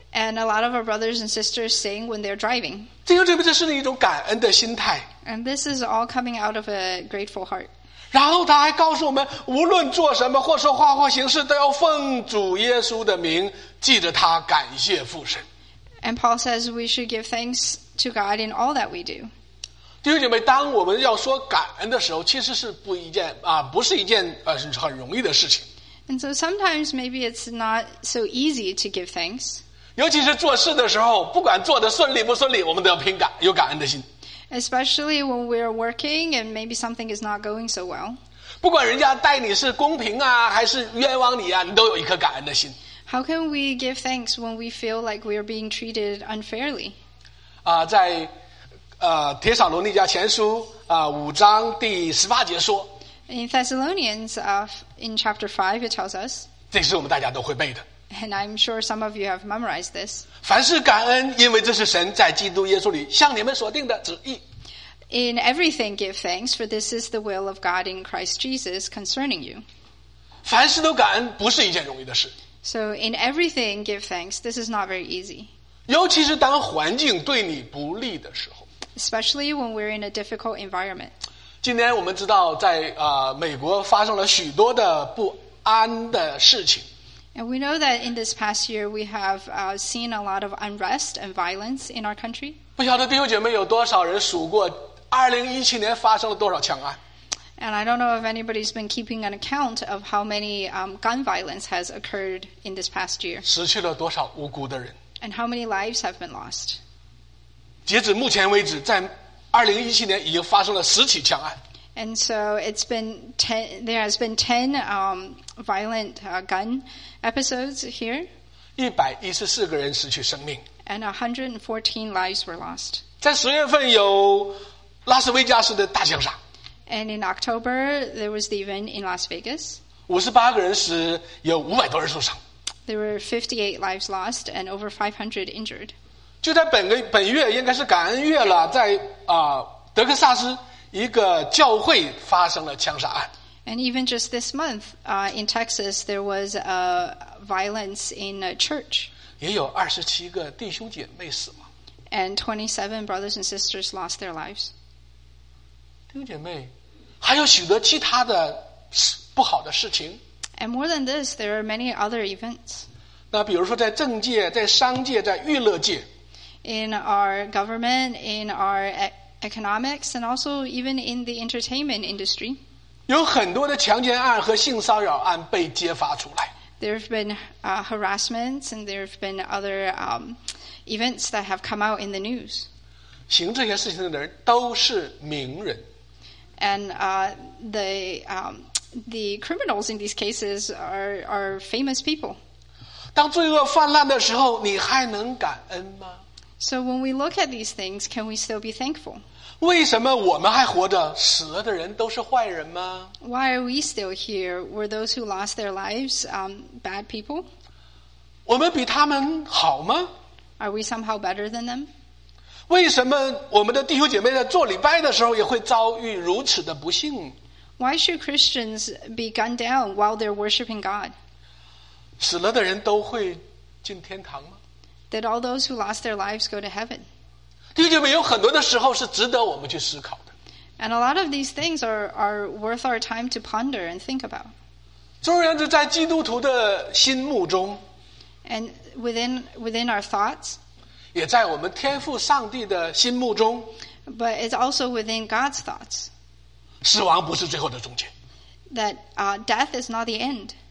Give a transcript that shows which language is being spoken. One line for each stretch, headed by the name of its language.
English: And a lot of our brothers and sisters sing when they're driving.
Chinese: 弟兄姊妹这是一种感恩的心态。
English: And this is all coming out of a grateful heart.
Chinese: 然后他还告诉我们无论做什么或说话或行事都要奉主耶稣的名记着他感谢父神。
English: And Paul says we should give thanks to God in all that we do.
Chinese: 弟兄姐妹当我们要说感恩的时候其实是不一件啊不是一件很容易的事情。
English: And so sometimes maybe it's not so easy to give thanks.
Chinese: 尤其是做事的时候不管做得顺利不顺利我们都要凭感有感恩的心。
English: Especially when we're working and maybe something is not going so well.
Chinese: 不管人家待你是公平啊，还是冤枉你啊，你都有一颗感恩的心。
English: How can we give thanks when we feel like we are being treated unfairly?
Chinese: 在帖撒罗尼迦前书五章第十八节说。
English: In Thessalonians, in chapter 5, it tells us.
Chinese: 这是我们大家都会背的。
English: And I'm sure some of you have memorized this.
Chinese: 凡事感恩，因为这是神在基督耶稣里向你们所定的旨意。
English: In everything give thanks, for this is the will of God in Christ Jesus concerning you.
Chinese: 凡事都感恩不是一件容易的事。
English: So in everything give thanks, this is not very easy.
Chinese: 尤其是当环境对你不利的时候。
English: Especially when we're in a difficult environment.
Chinese: 今天我们知道在美国发生了许多的不安的事情。
English: And we know that in this past year, we have seen a lot of unrest and violence in our country.
Chinese: 不晓得弟兄姐妹有多少人数过2017年发生了多少枪案。
English: And I don't know if anybody's been keeping an account of how many gun violence has occurred in this past year.
Chinese: 失去了多少无辜的人。
English: And how many lives have been lost.
Chinese: 截止目前为止，在2017年已经发生了十起枪案。
English: And so it's been there has been 10 violent gun episodes here.
Chinese: 114个人失去生命。
English: And 114 lives were lost.
Chinese: 在十月份有拉斯维加斯的大枪杀。
English: And in October, there was the event in Las Vegas.
Chinese: 58个人死，有500多人受伤。
English: There were 58 lives lost and over 500 injured.
Chinese: 就在本月应该是感恩月了，在德克萨斯。一个教会发生了枪杀案。
English: And even just this month, in Texas, there was a violence in a church.
Chinese: 也有27个弟兄姐妹死亡。
English: And 27 brothers and sisters lost their lives.
Chinese: 弟兄姐妹，还有许多其他的不好的事情。
English: And more than this, there are many other events.
Chinese: 那比如说在政界、在商界、在娱乐界。
English: In our government, in our economics and also even in the entertainment industry.
Chinese: 有很多的强奸案和性骚扰案被揭发出来。
English: There have been harassments and there have been other events that have come out in the news.
Chinese: 行这些事情的人都是名人。
English: And the criminals in these cases are famous people.
Chinese: 当罪恶泛滥的时候，你还能感恩吗？
English: So when we look at these things, can we still be thankful?
Chinese: 为什么我们还活着？死了的人都是坏人吗？
English: Why are we still here? Were those who lost their lives bad people?
Chinese: 我们比他们好吗？
English: Are we somehow better than them?
Chinese: 为什么我们的弟兄姐妹在做礼拜的时候也会遭遇如此的不幸？
English: Why should Christians be gunned down while they're worshiping God?
Chinese: 死了的人都会进天堂吗？
English: That all those who lost their lives go to heaven.
Chinese: 弟兄姐妹，有很多的时候是值得我们去思考的。
English: And a lot of these things are worth our time to ponder and think about.
Chinese: 总而言之，在基督徒的心目中
English: ，and within our thoughts，
Chinese: 也在我们天父上帝的心目中
English: ，but it's also within God's thoughts.
Chinese: 死亡不是最后的终结。
English: That death is not the end.